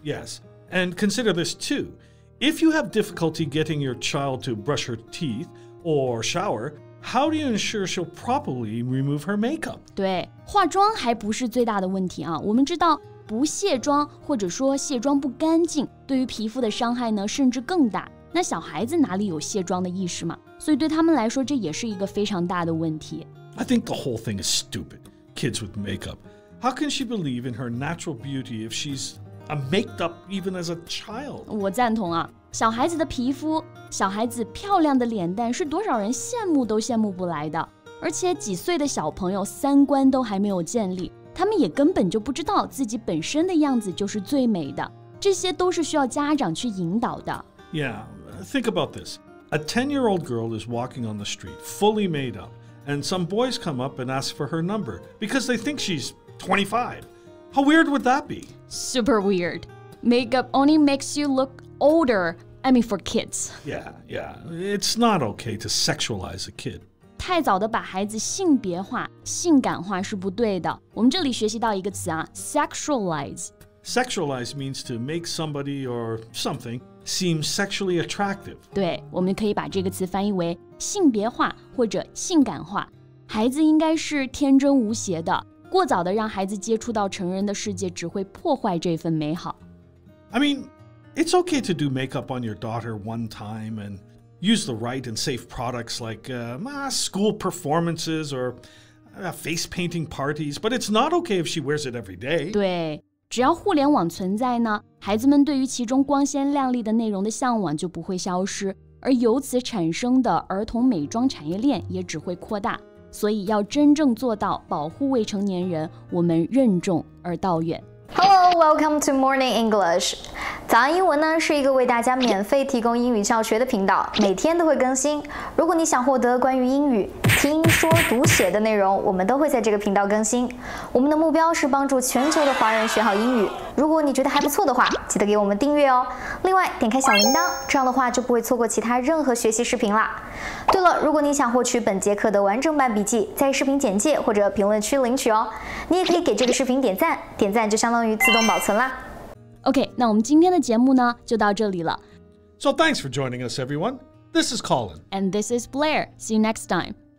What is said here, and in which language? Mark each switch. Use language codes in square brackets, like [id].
[en] Yes, and consider this too. If you have difficulty getting your child to brush her teeth or shower, how do you ensure she'll properly remove her makeup? [zh] 对，化妆还不是最大的问题啊。我们知道不卸妆或者说卸妆不干净，对于皮肤的伤害呢甚至更大。那小孩子哪里有卸妆的意识嘛？所以对他们来说，这也是一个非常大的问题。 [en] I think the whole thing is stupid. Kids with makeup. How can she believe in her natural beauty if she's... A make-up even as a child. [zh] 我赞同啊，小孩子的皮肤，小孩子漂亮的脸蛋是多少人羡慕都羡慕不来的。而且几岁的小朋友三观都还没有建立，他们也根本就不知道自己本身的样子就是最美的。这些都是需要家长去引导的。 [en] Yeah, think about this. A 10-year-old girl is walking on the street, fully made up, and some boys come up and ask for her number because they think she's 25. How weird would that be? Super weird. Makeup only makes you look older. I mean, for kids. Yeah, yeah. It's not okay to sexualize a kid. [zh] 太早的把孩子性别化、性感化是不对的。我们这里学习到一个词啊 ,sexualize. [en] Sexualize means to make somebody or something seem sexually attractive. [zh] 对,我们可以把这个词翻译为性别化或者性感化。孩子应该是天真无邪的。过早的让孩子接触到成人的世界只会破坏这份美好。 [en] I mean, it's okay to do makeup on your daughter one time and use the right and safe products like school performances or face painting parties, but it's not okay if she wears it every day. [zh] 对，只要互联网存在呢，孩子们对于其中光鲜亮丽的内容的向往就不会消失，而由此产生的儿童美妆产业链也只会扩大。所以要真正做到保护未成年人，我们任重而道远。 [en] Hello, welcome to Morning English. [zh] 早安英文呢是一个为大家免费提供英语教学的频道，每天都会更新。如果你想获得关于英语听说读写的内容，我们都会在这个频道更新。我们的目标是帮助全球的华人学好英语。如果你觉得还不错的话，记得给我们订阅哦。另外，点开小铃铛，这样的话就不会错过其他任何学习视频啦。对了，如果你想获取本节课的完整版笔记，在视频简介或者评论区领取哦。你也可以给这个视频点赞，点赞就相当于自动保存啦。 OK, 那我们今天的节目呢，就到这里了。 [en] So thanks for joining us, everyone. This is Colin. And this is Blair. See you next time.